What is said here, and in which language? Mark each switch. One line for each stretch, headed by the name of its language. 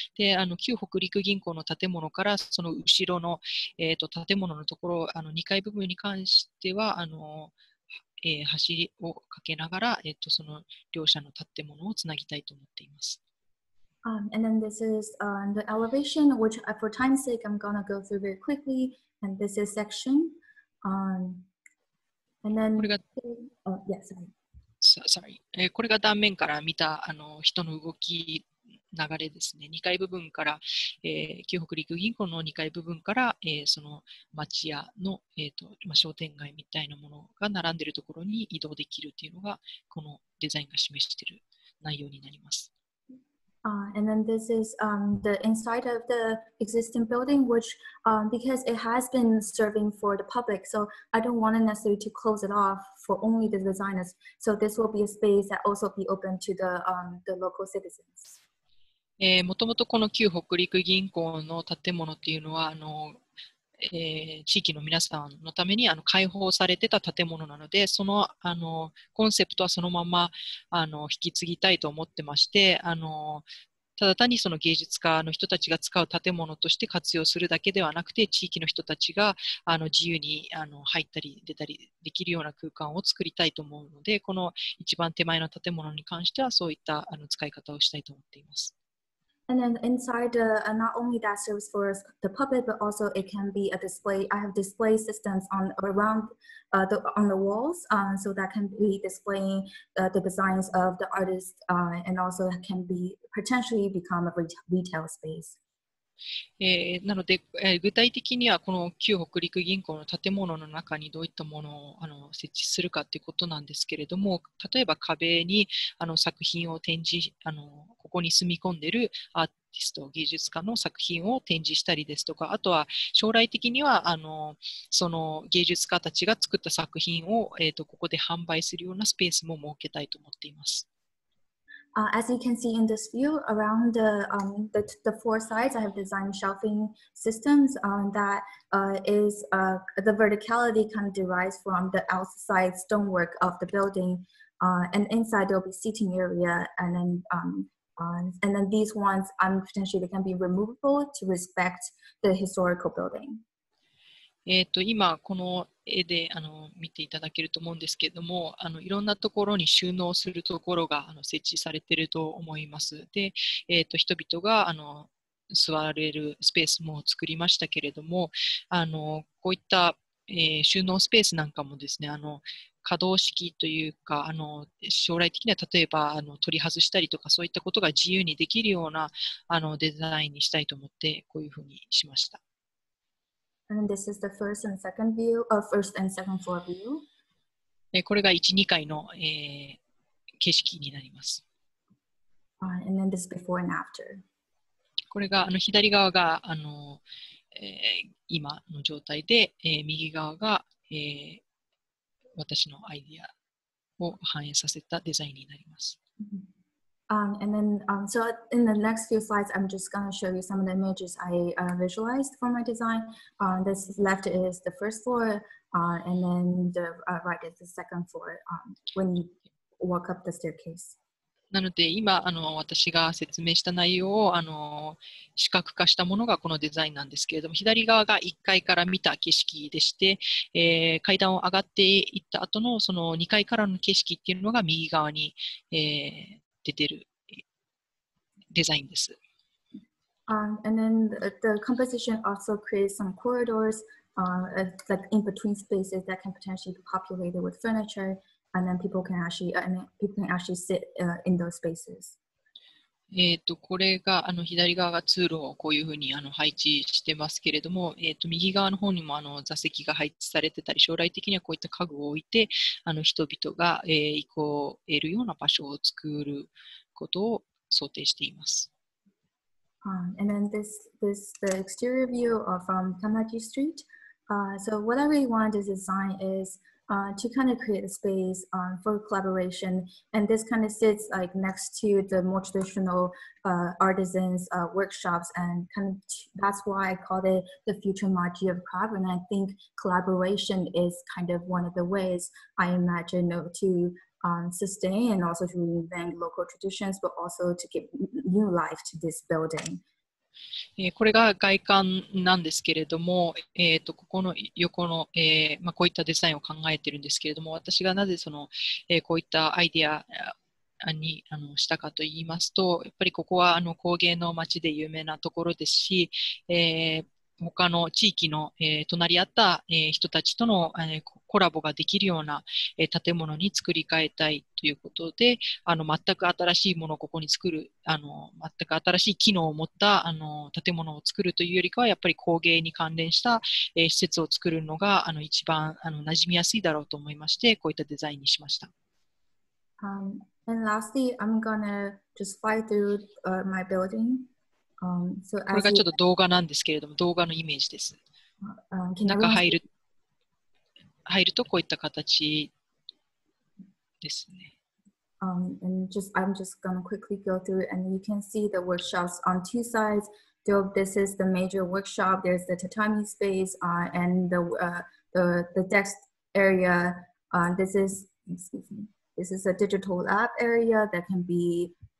Japanese: で、旧北陸銀行の建物からその後ろの、建物のところ2階部分に関しては橋を架けながら、その両者の建物をつなぎたいと思っています。
English: And then this is the elevation, which for time's sake, I'm going to go through very quickly. And this is section. And then, sorry.
Japanese: これが断面から見た人の動き流れですね。2階部分から、旧北陸銀行の2階部分から、その町屋の、商店街みたいなものが並んでいるところに移動できるというのが、このデザインが示している内容になります。
English: And then this is the inside of the existing building, which because it has been serving for the public, so I don't want it necessarily to close it off for only the designers. So this will be a space that also be open to the local citizens.
Japanese: もともとこの旧北陸銀行の建物というのは地域の皆さんのために開放されてた建物なので、そのコンセプトはそのまま引き継ぎたいと思ってまして、ただ単にその芸術家の人たちが使う建物として活用するだけではなくて、地域の人たちが自由に入ったり出たりできるような空間を作りたいと思うので、この一番手前の建物に関してはそういった使い方をしたいと思っています。
English: And then inside, not only that serves for the public, but also it can be a display. I have display systems on around on the walls, so that can be displaying the designs of the artist, and also can be potentially become a retail space.
Japanese: なので、具体的にはこの旧北陸銀行の建物の中にどういったものをあの設置するかということなんですけれども、例えば壁にあの作品を展示あの、ここに住み込んでいるアーティスト、技術家の作品を展示したりですとか、あとは将来的にはあのその芸術家たちが作った作品を、ここで販売するようなスペースも設けたいと思っています。
English: As you can see in this view, around the four sides, I have designed shelving systems that is the verticality kind of derives from the outside stonework of the building, and inside there will be seating area, and then these ones potentially they can be removable to respect the historical building.
Japanese: 今この絵であの見ていただけると思うんですけれども、あのいろんなところに収納するところがあの設置されていると思います。で、人々があの座れるスペースも作りましたけれども、あのこういった、収納スペースなんかもですね、あの可動式というか、あの将来的には例えばあの取り外したりとかそういったことが自由にできるようなあのデザインにしたいと思ってこういうふうにしました。
English: And this is the first and second view, first and second floor view.
Japanese: これが 1,2 階の、景色になります。
English: And then this before and after.
Japanese: これがあの左側があの、今の状態で、右側が、私のアイディアを反映させたデザインになります。 Mm-hmm.
English: So in the next few slides, I'm just going to show you some of the images I visualized for my design. This left is the first floor, and then the right is the second floor when you walk up the staircase.
Japanese: なので今あの私が説明した内容をあの視覚化したものがこのデザインなんですけれども、左側が1階から見た景色でして、階段を上がっていった後のその2階からの景色っていうのが右側に、出てるデザインです。
English: And then the composition also creates some corridors, like in between spaces that can potentially be populated with furniture, and then people can actually sit in those spaces.
Japanese: これがあの左側が通路をこういうふうにあの配置してますけれども、右側の方にもあの座席が配置されてたり、将来的にはこういった家具を置いてあの人々が行こう得るような場所を作ることを想定しています。
English: And then this the exterior view from Tamaki Street. So what I really wanted to design is to kind of create a space for collaboration. And this kind of sits like next to the more traditional artisans workshops. And kind of that's why I call it the future Maji of craft. And I think collaboration is kind of one of the ways I imagine to sustain and also to reinvent local traditions, but also to give new life to this building.
Japanese: これが外観なんですけれども、ここの横の、こういったデザインを考えているんですけれども、私がなぜその、こういったアイデアにあのしたかといいますと、やっぱりここはあの工芸の街で有名なところですし、他の地域の、隣り合った、人たちとの、コラボができるような、建物に作り変えたいということで、あの全く新しいものをここに作る、あの全く新しい機能を持ったあの建物を作るというよりかは、やっぱり工芸に関連した、施設を作るのがあの一番あの馴染みやすいだろうと思いまして、こういったデザインにしました。
English: And lastly, I'm gonna just fly through my building.
Japanese: これがちょっと動画なんですけれども、動画のイメージです。中入るとこういった形ですね。
English: I'm just gonna quickly go through, and you can see the workshops on two sides. This is the major workshop. There's the tatami space, and the desk area. This is a digital lab area that can be.